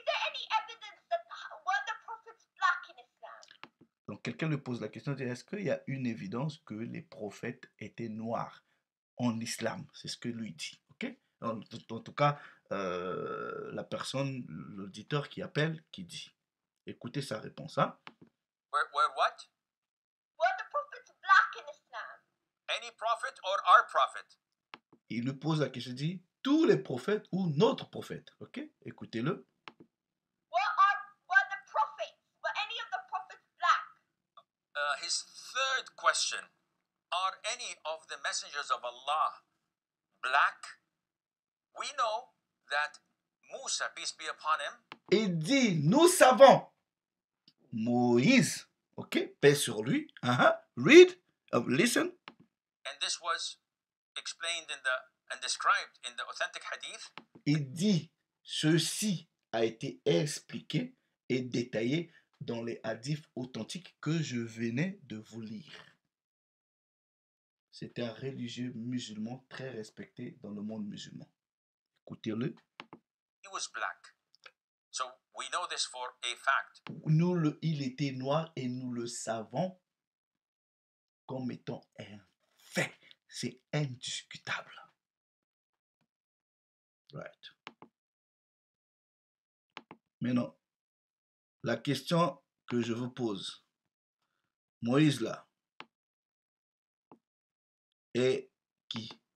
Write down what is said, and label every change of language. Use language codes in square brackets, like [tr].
[en] Any evidence that were the prophets black in Islam? [fr] Donc, quelqu'un lui pose la question, dit, est-ce qu'il y a une évidence que les prophètes étaient noirs en islam? C'est ce que lui dit. Okay? En tout cas, la personne, l'auditeur qui appelle, qui dit. Écoutez sa réponse. Hein? [en] Were what? Were the prophets black in Islam? Any prophet or our prophet? [fr] Il lui pose la question, dit, tous les prophètes ou notre prophète. Ok, écoutez-le. [en] Were the prophets? Were any of the prophets black? His third question, are any of the messengers of Allah black? We know that Musa, peace be upon him. [fr] Il dit, nous savons. Moïse, ok, paix sur lui. [en] Read, listen. And this was explained in the and described in the authentic hadith. [fr] Il dit, ceci a été expliqué et détaillé dans les hadiths authentiques que je venais de vous lire. C'était un religieux musulman très respecté dans le monde musulman. Écoutez-le. [en] He was black. So we know this for a fact. [fr] Il était noir et nous le savons comme étant un fait. C'est indiscutable. [en] Right. [fr] Maintenant, la question que je vous pose, Moïse là, est qui?